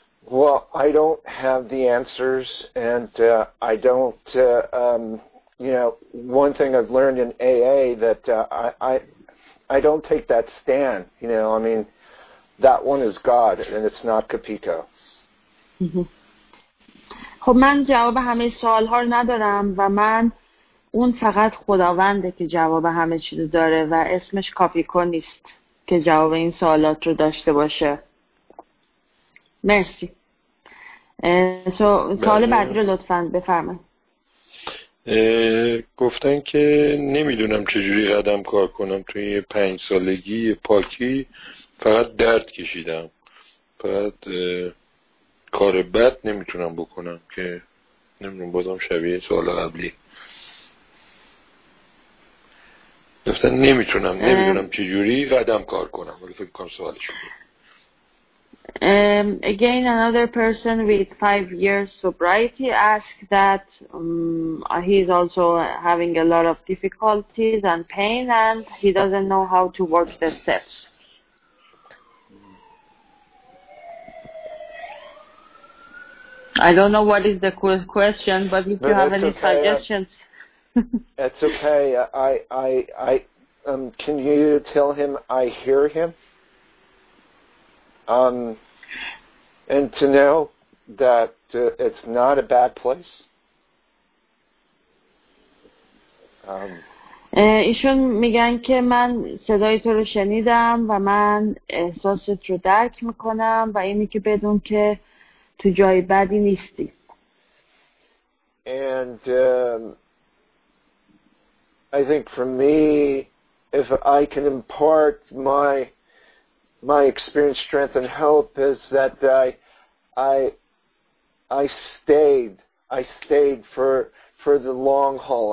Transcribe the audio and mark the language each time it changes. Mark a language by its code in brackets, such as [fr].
[en] Well, I don't have the answers, and I don't, you know, one thing I've learned in AA that I don't take that stand, you know, I mean, that one is God, and it's not Capito. [fa] خب من جواب همه سوال‌ها رو ندارم و من اون فقط خداونده که جواب همه چیز داره و اسمش کاپیکو نیست که جواب این سوالات رو داشته باشه. مرسی. سوال بعدی رو لطفاً بفرمایید. گفتن که نمیدونم چجوری قدم کار کنم توی 5 سالگی پاکی فقط درد کشیدم. فقط کار بد نمیتونم بکنم که نمیدونم بازم شبیه سوال قبلی. گفتن نمیدونم چجوری قدم کار کنم. ولی فکر کنم سوالش بود. [en] Again, another person with 5 years sobriety asked that he's also having a lot of difficulties and pain and he doesn't know how to work the steps. I don't know what is the question, but if you have any suggestions. It's okay. Can you tell him I hear him? And to know that it's not a bad place. [fa] ایشون میگن که من صدای تو رو شنیدم و من احساست رو درک میکنم و اینی که بدون که تو جای بدی نیستی. [en] And I think for me, if I can impart my experience, strength, and hope is that I stayed for the long haul.